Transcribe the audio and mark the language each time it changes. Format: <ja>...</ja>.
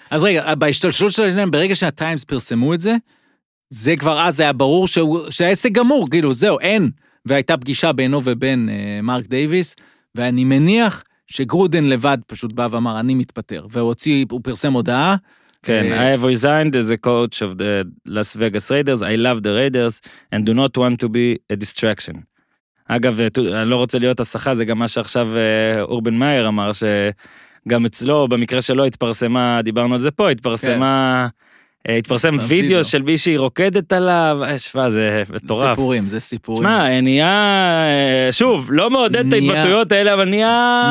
<he>אז רגע, בהשתלשלות של העניין, ברגע שהטיימס פרסמו את זה, זה כבר אז היה ברור שהעסק גמור, כאילו, זהו, אין. והייתה פגישה בינו ובין מרק דייביס, ואני מניח שגרודן לבד פשוט בא ואמר, אני מתפטר. והוא הוציא, הוא פרסם הודעה.</he> <en>כן, I have resigned as a coach of the Las Vegas Raiders, I love the Raiders, and do not want to be a distraction.</en> <he>אגב, אני לא רוצה להיות השכה, זה גם מה שעכשיו אורבן מאייר אמר, שגם אצלו, במקרה שלו התפרסמה, דיברנו על זה פה, התפרסמה, כן. התפרסם וידאו של מי שהיא רוקדת עליו, שווה, זה מטורף. סיפורים, זה סיפורים. שמה, נהיה, שוב, לא מעודד את ההתבטאויות האלה, אבל נהיה...</he>